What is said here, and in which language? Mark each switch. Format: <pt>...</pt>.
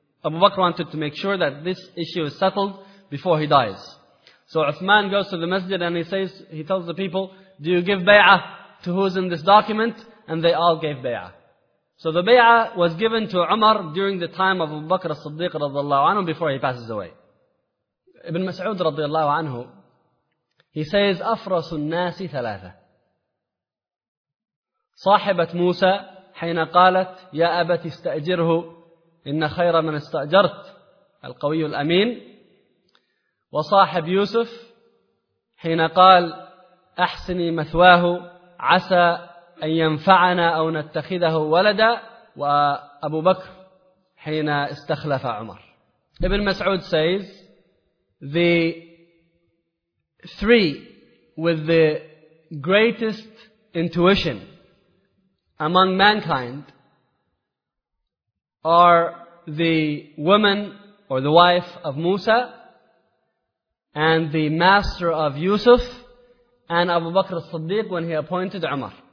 <en>Abu Bakr wanted to make sure that this issue is settled before he dies. So Uthman goes to the masjid and he tells the people, do you give bay'ah to who's in this document? And they all gave bay'ah. So the bay'ah was given to Umar during the time of Abu Bakr as-Siddiq radiallahu anhu before he passes away.</en> <ar>Ibn Mas'ud radiallahu anhu,</ar> <en>he says,</en> <ar>أَفْرَسُ النَّاسِ ثَلَاثَةً صَاحِبَةْ مُوسَى حَيْنَ قَالَتْ يَا أَبَتِ اسْتَأْجِرْهُ إِنَّ خَيْرَ مَنْ اسْتَأْجَرْتْ الْقَوِيُّ الْأَمِينَ وَصَاحِبْ يُوسُفْ حِينَ قَالْ أَحْسِنِي مَثْوَاهُ عَسَى أَنْ يَنْفَعَنَا أَوْ نَتَّخِذَهُ وَلَدًا وَأَبُو بَكْرْ حِينَ اسْتَخْلَفَ عُمَرْ.</ar> <en>Ibn Mas'ud says, the three with the greatest intuition among mankind are the woman or the wife of Musa and the master of Yusuf and Abu Bakr as-Siddiq when he appointed Umar.</en>